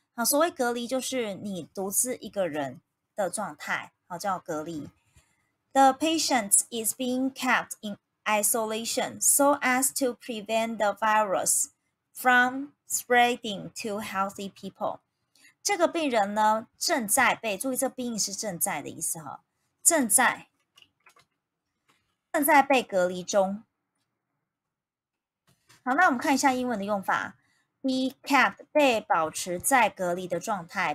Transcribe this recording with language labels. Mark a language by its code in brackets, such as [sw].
[zh] 好，所谓隔离就是你独自一个人的状态，好叫隔离。 [en] The patient is being kept in isolation so as to prevent the virus from spreading to healthy people。 [zh] 这个病人呢，正在被，注意这being是正在的意思哈，正在被隔离中。好，那我们看一下英文的用法。 [en] Be kept, [zh] 被保持在隔离的状态。